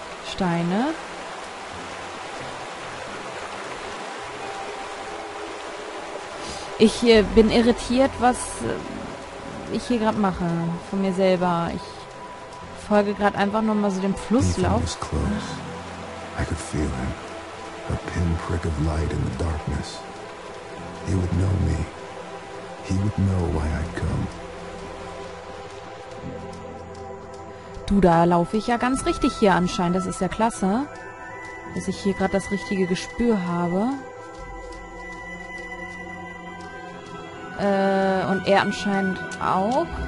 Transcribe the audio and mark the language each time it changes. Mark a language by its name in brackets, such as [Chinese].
[German] Steine. Ich bin irritiert, was ich hier gerade mache, von mir selber. Ich folge gerade einfach nur mal so dem Flusslauf. [English] Ethan was close. I could feel him. A pinprick of light in the darkness. He would know me. He would know why I'd come. [German] Du, da laufe ich ja ganz richtig hier anscheinend. Das ist ja klasse, dass ich hier gerade das richtige Gespür habe. Und er anscheinend auch.